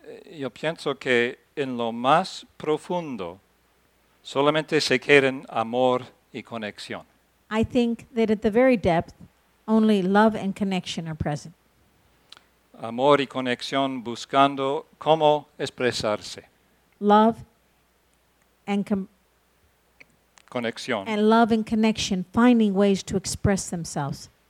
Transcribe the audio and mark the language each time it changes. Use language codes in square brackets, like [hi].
[es] Yo pienso que en lo más profundo solamente se quedan amor y conexión. [en] I think that at the very depth only love and connection are present. [es] Amor y conexión buscando cómo expresarse. [en] Love and [es] conexión. [en] And love and connection, finding ways to express themselves.